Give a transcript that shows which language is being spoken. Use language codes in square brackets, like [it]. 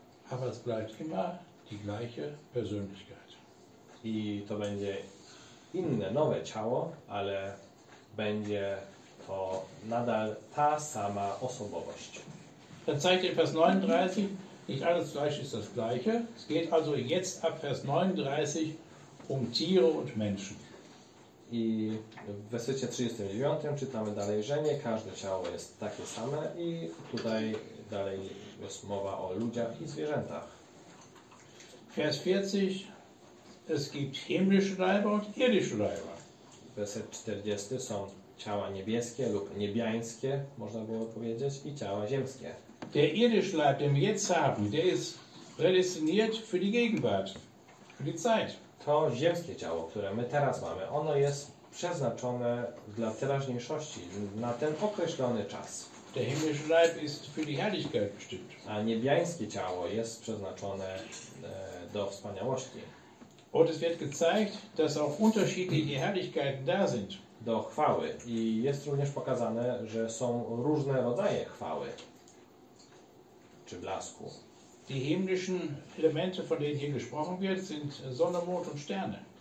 [de] Aber es bleibt immer die gleiche Persönlichkeit. [pl] I to będzie inne, nowe ciało, ale będzie to nadal ta sama osobowość. [de] Dann zeigt ihr Vers 39, nicht alles Fleisch ist das Gleiche. Es geht also jetzt ab Vers 39 um Tiere und Menschen. [pl] I w wersecie 39 czytamy dalej, że nie każde ciało jest takie same i tutaj dalej jest mowa o ludziach i zwierzętach. [de] Vers 40, es gibt himmlische Leiber und irdische Leiber. [pl] Werset 40, są ciała niebieskie lub niebiańskie, można było powiedzieć, i ciała ziemskie. [de] Der irdische Leib, den wir jetzt haben, der ist prädestiniert für die Gegenwart, für die Zeit. [pl] To ziemskie ciało, które my teraz mamy, ono jest przeznaczone dla teraźniejszości, na ten określony czas. [de] Der himmlische Leib ist für die Herrlichkeit bestimmt. [pl] A niebiańskie ciało jest przeznaczone do wspaniałości. [de] Und es wird gezeigt, dass auch unterschiedliche Herrlichkeiten da sind. [pl] Do chwały. I jest również pokazane, że są różne rodzaje chwały czy blasku. [de] Die himmlischen Elemente, von denen hier gesprochen wird, sind Sonne, Mond und Sterne.